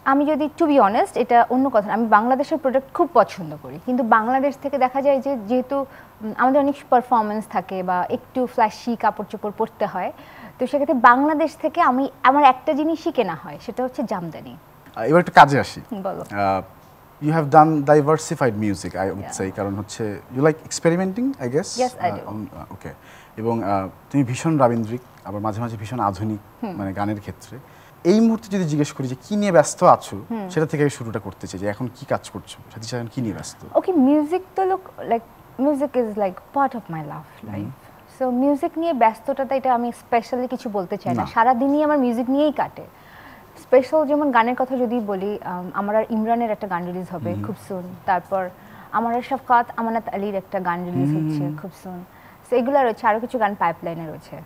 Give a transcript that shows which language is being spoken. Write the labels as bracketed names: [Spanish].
[Bangla] আমি যদি [English] to be honest, [Bangla] এটা অন্য কথা, আমি বাংলাদেশের প্রোডাক্ট খুব পছন্দ করি, কিন্তু বাংলাদেশ থেকে দেখা যায় যে যেহেতু আমাদের অনেক পারফরমেন্স থাকে বা একটু ফ্ল্যাশি কাপড় চোপড় পরতে হয়, তো সেক্ষেত্রে বাংলাদেশ থেকে আমি আমার একটা জিনিসই কেনা হয়, সেটা হচ্ছে জামদানি। এবার একটা কাজে আসি, বলো। [English] You have done diversified music, I would say, [Bangla] কারণ হচ্ছে [English] you like experimenting, I guess? Yes, I do. Okay. [Bangla] এবং তুমি ভীষণ রবীন্দ্রিক, আবার মাঝে মাঝে ভীষণ আধুনিক মানে গানের ক্ষেত্রে। এই মুহূর্তে যদি জিজ্ঞেস করি যে কি নিয়ে ব্যস্ত আছো, সেটা থেকে শুরুটা করতে চাই যে এখন কি কাজ করছো, সাথে সাথে কি নিয়ে ব্যস্ত? [English] Okay, music to look like, music is like part of my life. [Bangla] So music নিয়ে ব্যস্ততাটা এটা আমি স্পেশালি কিছু বলতে চাই না, সারাদিনই আমার মিউজিক নিয়েই কাটে। স্পেশাল যেমন গানের কথা যদি বলি, আমার আর ইমরানের একটা গান রিলিজ হবে খুব সুন, তারপর আমার আর শফকাত আমানত আলীর একটা গান রিলিজ হচ্ছে খুব সুন, সো এগুলো রয়েছে, আরও কিছু গান পাইপলাইনে রয়েছে।